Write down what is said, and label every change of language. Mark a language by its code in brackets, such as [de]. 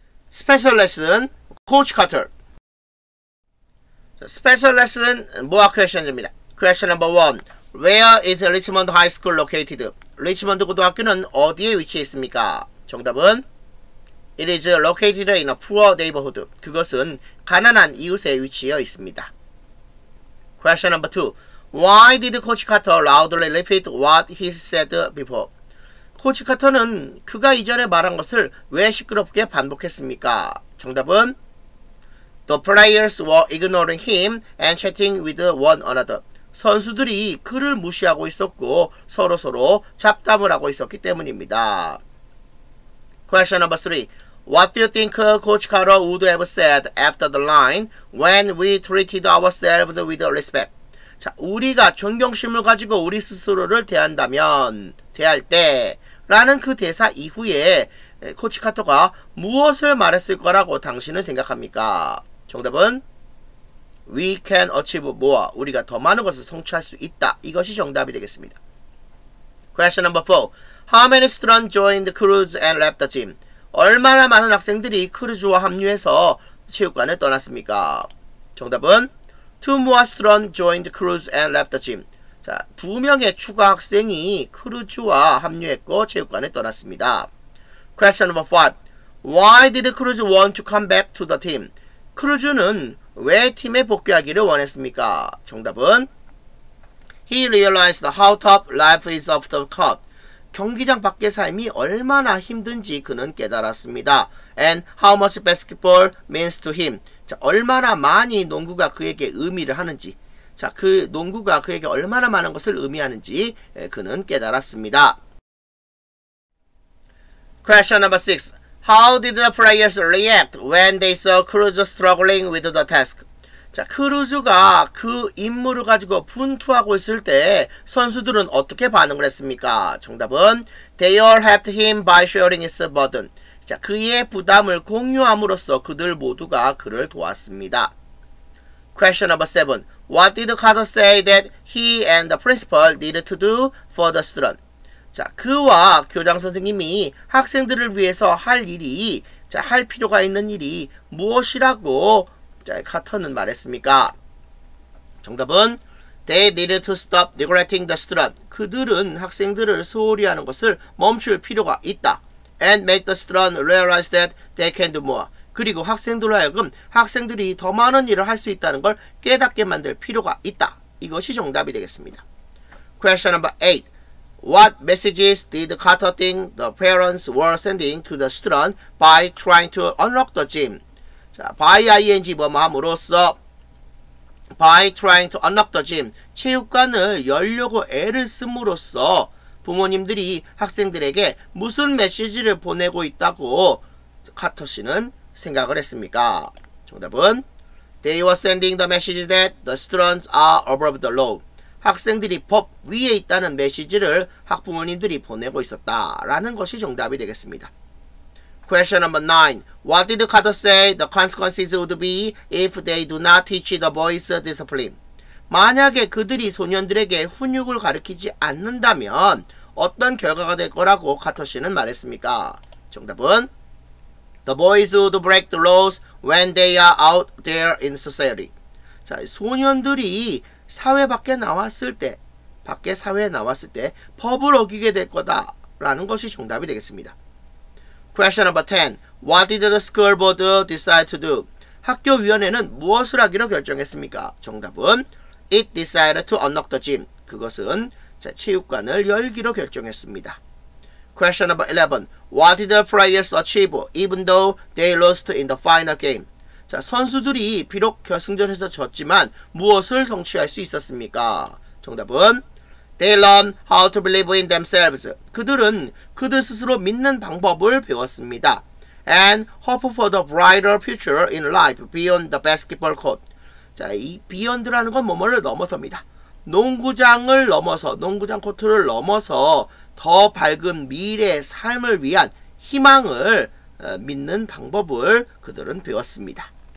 [ko] 스페셜 레슨 코치 카터. 스페셜 레슨 모아 퀘션즈입니다. [en] 퀘션 넘버 1. Where is Richmond High School located? [ko] 리치먼드 고등학교는 어디에 위치해 있습니까? 정답은 [en] It is located in a poor neighborhood. [ko] 그것은 가난한 이웃에 위치해 있습니다. [en] Question number 2. Why did Coach Carter loudly repeat what he said before? [ko] Coach Carter는 그가 이전에 말한 것을 왜 시끄럽게 반복했습니까? 정답은 [en] The players were ignoring him and chatting with one another. [ko] 선수들이 그를 무시하고 있었고 서로서로 잡담을 하고 있었기 때문입니다. [en] Question number 3. What do you think Coach Carter would have said after the line when we treated ourselves with respect? [ko] 자, 우리가 존경심을 가지고 우리 스스로를 대한다면, 대할 때 라는 그 대사 이후에 코치 카터가 무엇을 말했을 거라고 당신은 생각합니까? 정답은 [en] We can achieve more. [ko] 우리가 더 많은 것을 성취할 수 있다. 이것이 정답이 되겠습니다. [en] Question number 4. How many students joined the cruise and left the gym? [ko] 얼마나 많은 학생들이 크루즈와 합류해서 체육관을 떠났습니까? 정답은 [en] Two more students joined the cruise and left the gym. [ko] 자, 두 명의 추가 학생이 크루즈와 합류했고 체육관을 떠났습니다. [en] Question number 5. Why did Cruise want to come back to the team? [ko] 크루즈는 왜 팀에 복귀하기를 원했습니까? 정답은 [en] He realized how tough life is off the court. [ko] 경기장 밖의 삶이 얼마나 힘든지 그는 깨달았습니다. [en] And how much basketball means to him. [ko] 자, 얼마나 많이 농구가 그에게 의미를 하는지, 자, 그 농구가 그에게 얼마나 많은 것을 의미하는지 그는 깨달았습니다. [en] Question number 6. How did the players react when they saw Cruz struggling with the task? [ko] 자, 크루즈가 그 임무를 가지고 분투하고 있을 때 선수들은 어떻게 반응을 했습니까? 정답은 [en] They all helped him by sharing his burden. [ko] 자, 그의 부담을 공유함으로써 그들 모두가 그를 도왔습니다. [en] Question number 7. What did Carter say that he and the principal needed to do for the student? [ko] 자, 그와 교장 선생님이 학생들을 위해서 할 일이, 자, 할 필요가 있는 일이 무엇이라고, 자, 카터는 말했습니까? 정답은 [en] They needed to stop neglecting the student. [ko] 그들은 학생들을 소홀히 하는 것을 멈출 필요가 있다. [en] And make the student realize that they can do more. [ko] 그리고 학생들로 하여금 학생들이 더 많은 일을 할 수 있다는 걸 깨닫게 만들 필요가 있다. 이것이 정답이 되겠습니다. [en] Question number 8. What messages did Carter think the parents were sending to the student by trying to unlock the gym? [ko] 자, by ing 뭐뭐함으로써 [en] by trying to unlock the gym, [ko] 체육관을 열려고 애를 씀으로써 부모님들이 학생들에게 무슨 메시지를 보내고 있다고 카터 씨는 생각을 했습니까? 정답은 [en] They were sending the message that the students are above the law. [ko] 학생들이 법 위에 있다는 메시지를 학부모님들이 보내고 있었다라는 것이 정답이 되겠습니다. [en] Question number 9. What did Carter say the consequences would be if they do not teach the boys discipline? [ko] 만약에 그들이 소년들에게 훈육을 가르치지 않는다면 어떤 결과가 될 거라고 카터 씨는 말했습니까? 정답은 [en] The boys would break the laws when they are out there in society. [ko] 자, 소년들이 사회 밖에 나왔을 때, 밖에 사회에 나왔을 때 법을 어기게 될 거다라는 것이 정답이 되겠습니다. [en] Question number 10. What did the school board decide to do? [ko] 학교위원회는 무엇을 하기로 결정했습니까? 정답은 [en] It decided to unlock the gym. [ko] 그것은 체육관을 열기로 결정했습니다. [en] Question number 11. What did the players achieve even though they lost in the final game? [ko] 자, 선수들이 비록 결승전에서 졌지만 무엇을 성취할 수 있었습니까? 정답은 [en] They learn how to believe in themselves. [ko] 그들은 그들 스스로 믿는 방법을 배웠습니다. [en] And hope for the brighter future in life beyond the basketball court. [ko] 자, 이 beyond라는 건 뭐뭐를 넘어섭니다. 농구장을 넘어서, 농구장 코트를 넘어서 더 밝은 미래의 삶을 위한 희망을 믿는 방법을 그들은 배웠습니다.